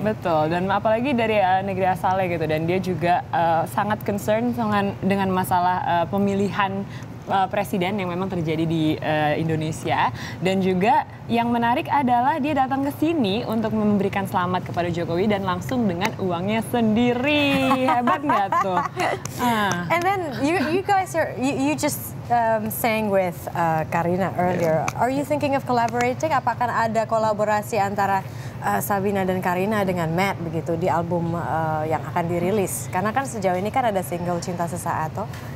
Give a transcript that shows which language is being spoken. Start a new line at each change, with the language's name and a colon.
Indonesian: Betul, dan apalagi dari negeri asalnya gitu, dan dia juga sangat concern dengan masalah pemilihan presiden yang memang terjadi di Indonesia. Dan juga yang menarik adalah dia datang ke sini untuk memberikan selamat kepada Jokowi dan langsung dengan uangnya sendiri. Hebat nggak tuh?
English: And then you guys are you just sang with Karina earlier. Are you thinking of collaborating?
Indonesian: Apakah ada kolaborasi antara Sabina dan Karina dengan Matt begitu di album yang akan dirilis? Karena kan sejauh ini kan ada single Cinta Sesaat toh.